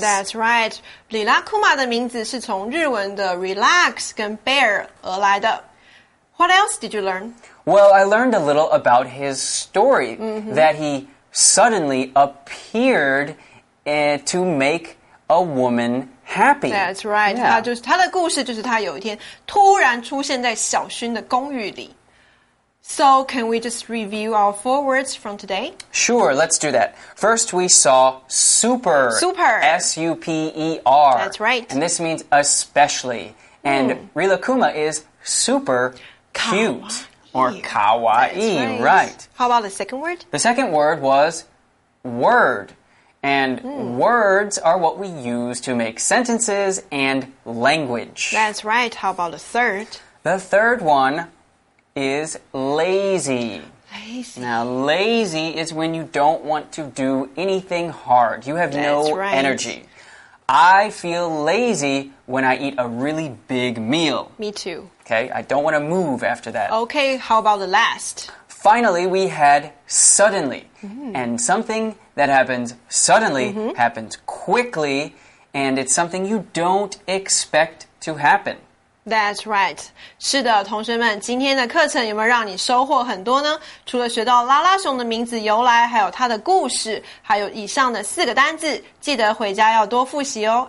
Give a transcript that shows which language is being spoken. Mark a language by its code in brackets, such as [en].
[en] That's right. [zh] Rila Kuma 的名字是从日文的 relax 跟 bear 而来的。 [en] What else did you learn? Well, I learned a little about his story,、 mm-hmm. that he suddenly appeared、to make a woman happy. That's right.、 Yeah. [zh] 他的故事就是他有一天突然出现在小薰的公寓里。 [en] So, can we just review our four words from today? Sure, let's do that. First, we saw super. Super. S-U-P-E-R. That's right. And this means especially. And、mm. Rila Kuma is super. Cute or kawaii, right. How about the second word? The second word was word. And、mm. words are what we use to make sentences and language. That's right. How about the third? The third one is lazy. Lazy. Now, lazy is when you don't want to do anything hard. You have、 That's、 no、 right. energy. I feel lazy when I eat a really big meal. Me too. Okay, I don't want to move after that. Okay, how about the last? Finally, we had suddenly.、 Mm-hmm. And something that happens suddenly、 mm-hmm. happens quickly, and it's something you don't expect to happen. That's right. [zh] 是的，同学们，今天的课程有没有让你收获很多呢？除了学到拉拉熊的名字由来，还有它的故事，还有以上的四个单字，记得回家要多复习哦。